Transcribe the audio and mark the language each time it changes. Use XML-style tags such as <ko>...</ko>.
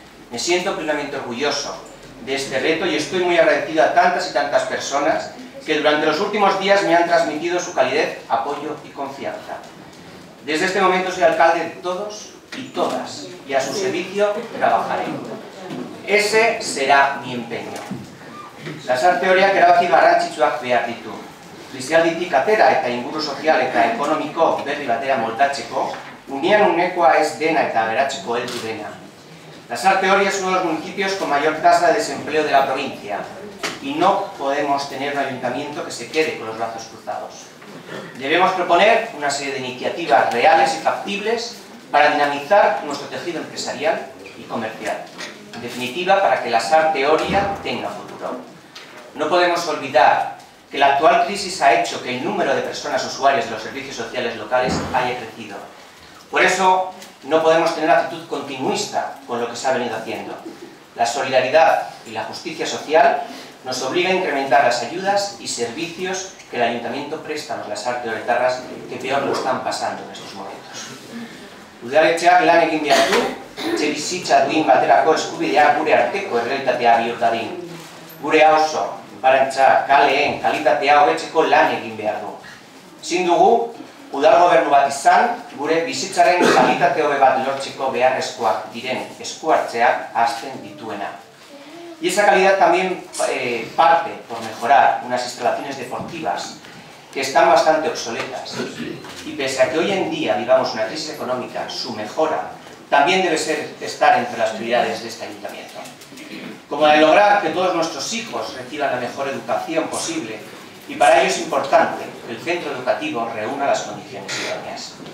<es>Me siento plenamente orgulloso de este reto y estoy muy agradecido a tantas y tantas personas que durante los últimos días me han transmitido su calidez, apoyo y confianza. Desde este momento soy alcalde de todos y todas, y a su servicio trabajaré. Ese será mi empeño.</es> <eu>Lasarte-Oria erabaki garrantzitsuak behar ditu. Krisialditik atera eta inguru sozial eta ekonomiko berri batera moldatzeko, unean unekoa ez dena eta beratzeko heldu dena.</eu> <es>Lasarte-Oria es uno de los municipios con mayor tasa de desempleo de la provincia y no podemos tener un ayuntamiento que se quede con los brazos cruzados. Debemos proponer una serie de iniciativas reales y factibles para dinamizar nuestro tejido empresarial y comercial. En definitiva, para que Lasarte-Oria tenga futuro. No podemos olvidar que la actual crisis ha hecho que el número de personas usuarias de los servicios sociales locales haya crecido. Por eso, no podemos tener actitud continuista con lo que se ha venido haciendo. La solidaridad y la justicia social nos obliga a incrementar las ayudas y servicios que el Ayuntamiento presta a los lasarte-oretarras que peor lo están pasando en estos momentos.</es> <eu>Udaletxeak lan egin behar du, etxe bizitza duin baterako eskubidea gure arteko errealitatea bihur dadin. Gure auzo, barantza, kaleen, kalitatea hobetzeko lan egin behar du. Ezin dugu, udal gobernu bat izan, gure bizitzaren kalitate hobe bat lortzeko beharrezkoak diren eskuartzeak hasten dituena.</eu> <es>Y esa calidad también parte por mejorar unas instalaciones deportivas que están bastante obsoletas. Y pese a que hoy en día vivamos una crisis económica, su mejora también debe estar entre las prioridades de este ayuntamiento. Como la de lograr que todos nuestros hijos reciban la mejor educación posible, y para ello es importante que el centro educativo reúna las condiciones idóneas.</es>